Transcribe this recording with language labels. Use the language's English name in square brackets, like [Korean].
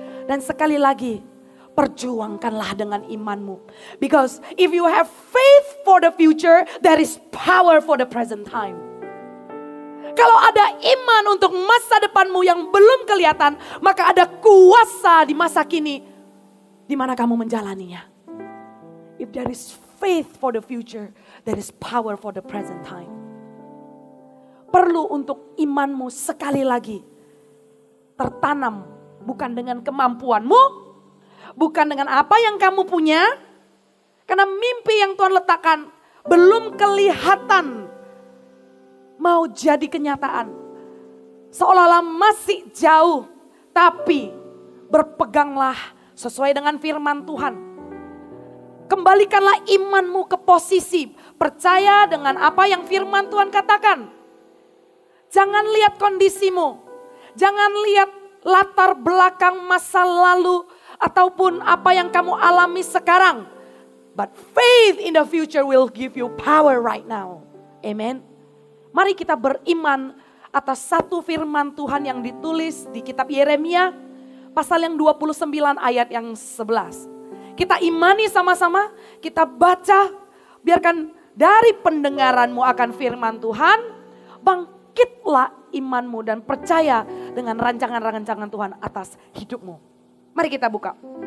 [Indonesian] Dan sekali lagi, perjuangkanlah dengan imanmu. [English] Because if you have faith for the future, there is power for the present time. [Indonesian] Kalau ada iman untuk masa depanmu yang belum kelihatan, maka ada kuasa di masa kini di mana kamu menjalaninya. [English] If there is faith for the future, there is power for the present time. [Indonesian] Perlu untuk imanmu sekali lagi tertanam. Bukan dengan kemampuanmu, bukan dengan apa yang kamu punya. Karena mimpi yang Tuhan letakkan belum kelihatan mau jadi kenyataan. Seolah-olah masih jauh, tapi berpeganglah sesuai dengan firman Tuhan. Kembalikanlah imanmu ke posisi percaya dengan apa yang firman Tuhan katakan. Jangan lihat kondisimu, jangan lihat latar belakang masa lalu ataupun apa yang kamu alami sekarang. [English] But faith in the future will give you power right now. Amen. [Indonesian] Mari kita beriman atas satu firman Tuhan yang ditulis di kitab Yeremia pasal yang 29 ayat yang 11. Kita imani sama-sama, kita baca, biarkan dari pendengaranmu akan firman Tuhan, bangkitlah imanmu dan percaya dengan rancangan-rancangan Tuhan atas hidupmu. Mari kita buka.